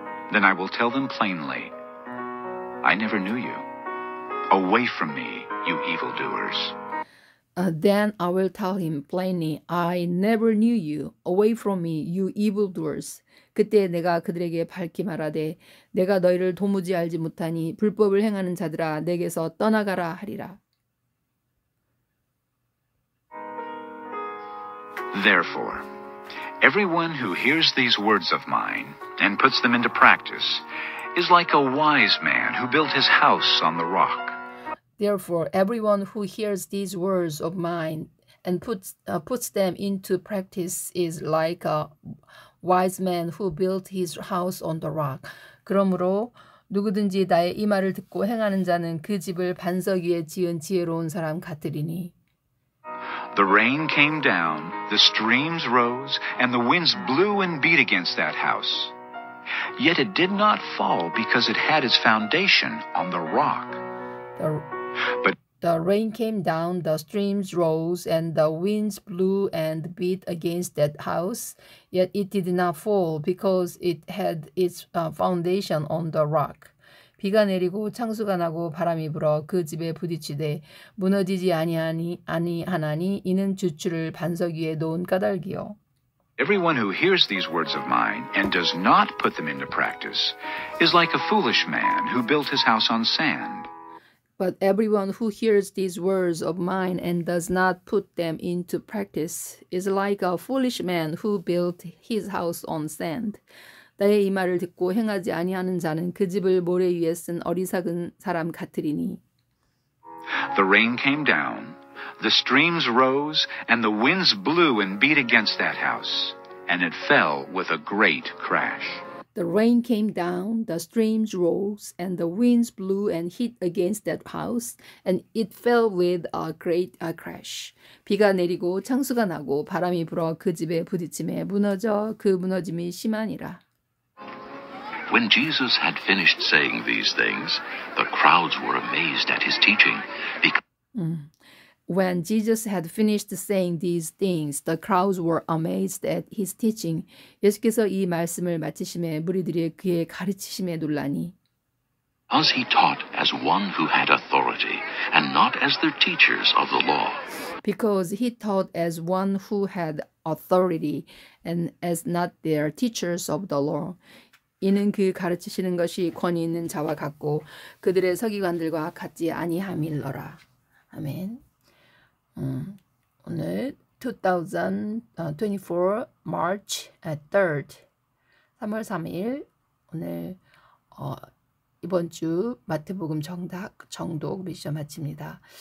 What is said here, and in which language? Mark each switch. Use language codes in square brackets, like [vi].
[en] Then I will tell them plainly, I never knew you. Away from me, you evildoers. Then I will tell him plainly, I never knew you. Away from me, you evildoers. [ko] 그때 내가 그들에게 밝히 말하되, 내가 너희를 도무지 알지 못하니 불법을 행하는 자들아, 내게서 떠나가라 하리라. [en] Therefore, everyone who hears these words of mine and puts them into practice is like a wise man who built his house on the rock. Therefore, everyone who hears these words of mine and puts them into practice is like a wise man who built his house on the rock. [ko] 그러므로 누구든지 나의 이 말을 듣고 행하는 자는 그 집을 반석 위에 지은 지혜로운 사람 같으리니. [en] The rain came down, the streams rose, and the winds blew and beat against that house. Yet it did not fall because it had its foundation on the rock. The rain came down, the streams rose, and the winds blew and beat against that house. Yet it did not fall because it had its foundation on the rock. [ko] 비가 내리고 창수가 나고 바람이 불어 그 집에 부딪히되 무너지지 아니하나니 이는 주춧돌을 반석 위에 놓은 까닭이요. [en] Everyone who hears these words of mine and does not put them into practice is like a foolish man who built his house on sand. But everyone who hears these words of mine and does not put them into practice is like a foolish man who built his house on sand. [ko] 나의 이 말을 듣고 행하지 아니하는 자는 그 집을 모래 위에 쓴 어리석은 사람 같으리니. [en] The rain came down, the streams rose, and the winds blew and beat against that house, and it fell with a great crash. The rain came down, the streams rose, and the winds blew and hit against that house, and it fell with a great crash. [ko] 비가 내리고 창수가 나고 바람이 불어 그 집에 부딪힘에 무너져 그 무너짐이 심하니라. [en] When Jesus had finished saying these things, the crowds were amazed at his teaching. When Jesus had finished saying these things, the crowds were amazed at his teaching. [ko] 예수께서 이 말씀을 마치심에 무리들이 그의 가르치심에 놀라니. [en] As he taught as one who had authority and not as the teachers of the law. Because he taught as one who had authority and as not their teachers of the law. [ko] 이는 그 가르치시는 것이 권위 있는 자와 같고 그들의 서기관들과 같지 아니함일러라. 아멘. 오늘 2024 [en] March 3rd [ko] 3월 3일 오늘 이번 주 마태복음 정독 미션 마칩니다.